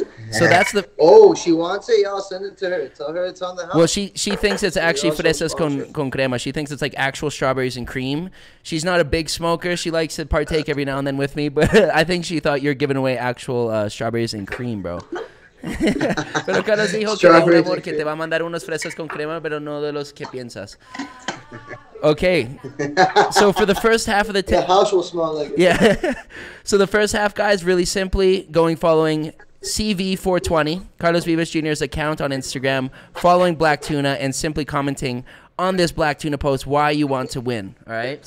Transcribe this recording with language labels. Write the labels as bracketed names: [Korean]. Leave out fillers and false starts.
[English] So that's the... Oh, she wants it? Y'all send it to her. Tell her it's on the house. Well, she thinks it's actually [Spanish] fresas con crema. [English] She thinks it's like actual strawberries and cream. She's not a big smoker. She likes to partake every now and then with me, but I think she thought you're giving away actual strawberries and cream, bro. [Spanish] Pero Carlos dijo que era un amor que te va a mandar unos fresas con crema, pero no de los que piensas. [English] Okay, so for the first half of the the house will smell like it. Yeah, so the first half, guys, really simply going following CV420, Carlos Vives Jr.'s account on Instagram, following Black Tuna, and simply commenting on this Black Tuna post why you want to win, all right?